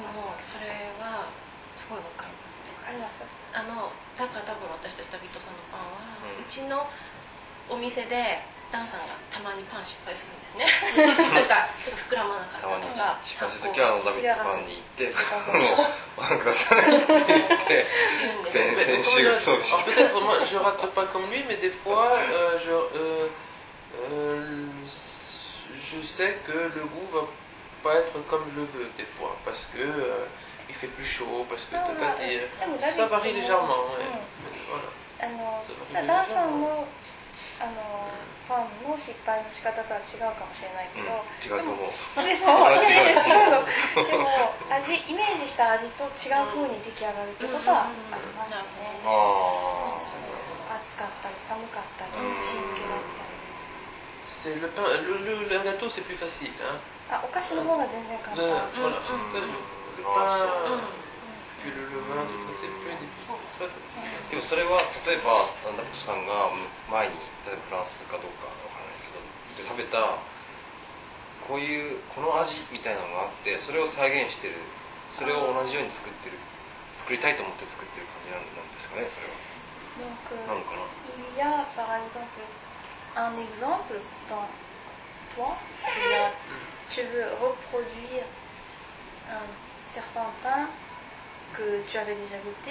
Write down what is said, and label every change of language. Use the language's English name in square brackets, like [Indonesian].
[Japanese] でもそれはすごいわかる。あのだから多分私たちダビッドさんのパンは、うちのお店でダンさんがたまにパン失敗するんですね。なんかちょっと膨らまなかったとか、失敗するときはダビッドパンに行ってパンくださいって言って、先週がそうでした。 [French] Peut-être moi je rate pas comme lui, mais des fois je sais que le goût va pas être comme je veux des fois parce que il fait plus chaud parce que t'as pas dit ça varie légèrement [Japanese] voilà ダンさんのあのパンの失敗の仕方とは違うかもしれないけど違うと思うでも味イメージした味と違う風に出来上がるってことはありますね。ああ暑かったり寒かったり湿気だったり [French] c'est le pain le gâteau c'est plus facile hein [Japanese] あ、お菓子の方が全然簡単。ね、ほら、うん、大丈夫。うん、パーン、うん、ピュルルマンとさせるプレディプでもそれは、例えば、ナンダコトさんが前に、例えばフランスかどうかわからないけど、で食べた、こういう、この味みたいなのがあって、それを再現してる、それを同じように作ってる、作りたいと思って作ってる感じなんですかね、それは。 [French] Donc, il y a par exemple un exemple dans toi, tu veux reproduire un certain pain que tu avais déjà goûté.